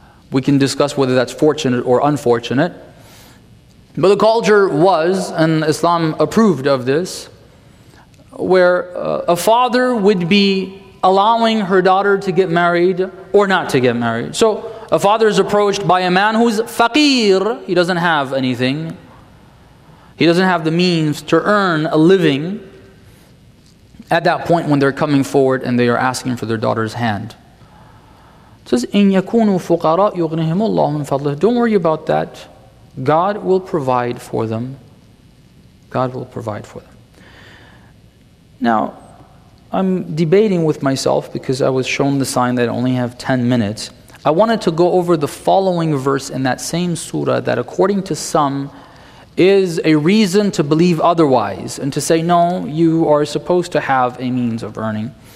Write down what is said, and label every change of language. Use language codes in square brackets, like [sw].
[en] We can discuss whether that's fortunate or unfortunate. But the culture was, and Islam approved of this, where a father would be allowing her daughter to get married or not to get married. So a father is approached by a man who's faqir, he doesn't have anything. He doesn't have the means to earn a living at that point when they're coming forward and they are asking for their daughter's hand. It says, [ar] إِن يَكُونُوا فُقَرَاءَ يُغْنِهِمُ اللَّهُ مِنْ فَضْلِهِ. [en] Don't worry about that. God will provide for them. God will provide for them. Now, I'm debating with myself because I was shown the sign that I only have 10 minutes. I wanted to go over the following verse in that same surah that according to some is a reason to believe otherwise and to say, no, you are supposed to have a means of earning.